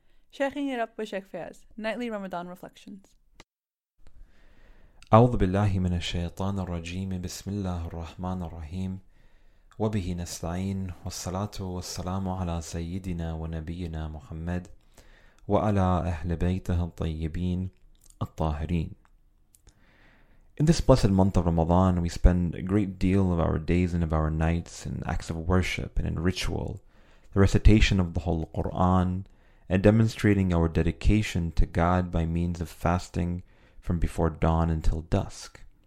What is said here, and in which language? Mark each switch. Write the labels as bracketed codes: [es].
[en] Sheikhing it up with Sheikh Faiyaz, nightly Ramadan reflections. [ar] أعوذ بالله من الشيطان الرجيم بسم الله الرحمن الرحيم وبه نستعين والصلاة والسلام على سيدنا ونبينا محمد وعلى أهل بيته الطيبين الطاهرين. [en] In this blessed month of Ramadan, we spend a great deal of our days and of our nights in acts of worship and in ritual, the recitation of the whole Quran, and demonstrating our dedication to God by means of fasting from before dawn until dusk.